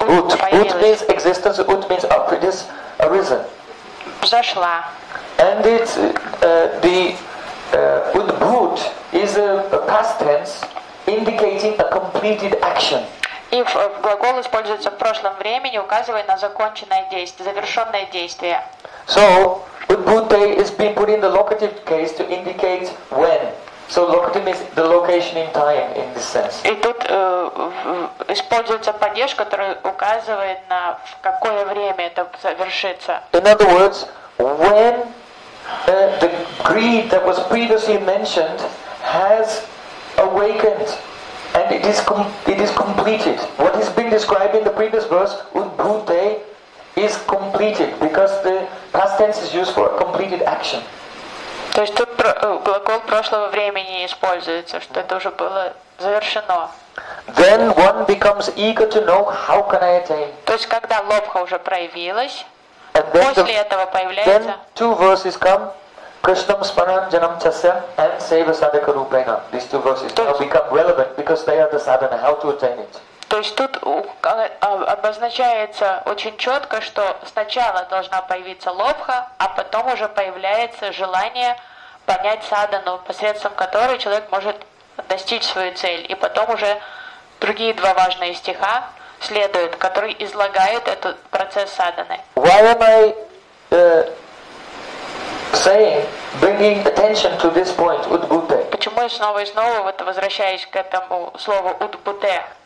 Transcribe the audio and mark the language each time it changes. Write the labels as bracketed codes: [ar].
[en] Ут means existence, ут means up. It is arisen. [ru] Взошла. [en] And it's the Удбут is a past tense indicating a completed action. [ru] И глагол используется в прошлом времени, указывая на законченное действие, завершенное действие. [en] So, Удбутте is being put in the locative case to indicate when. So locative means the location in time in this sense. [ru] И тут используется падеж, который указывает на в какое время это завершится. [en] In other words, when the greed that was previously mentioned has awakened and it is completed. What has been described in the previous verse, Udbhute, is completed because the past tense is used for a completed action. [ru] То есть тут глагол прошлого времени используется, что это уже было завершено. [en] Then one becomes eager to know how can I attain. [ru] То есть когда лобха уже проявилась, после этого появляется. [en] Then two verses come: Krishnam smaran janam chasya and seva sadaka rupena. These two verses now become relevant because they are the sadhana. How to attain it? [ru] То есть тут обозначается очень четко, что сначала должна появиться лобха, а потом уже появляется желание понять садхану, посредством которой человек может достичь свою цель. И потом уже другие два важные стиха следуют, которые излагают этот процесс садханы. [en] Why am I saying, bringing attention to this point, Удбутте? [ru] Почему я снова и снова вот возвращаюсь к этому слову Удбутте?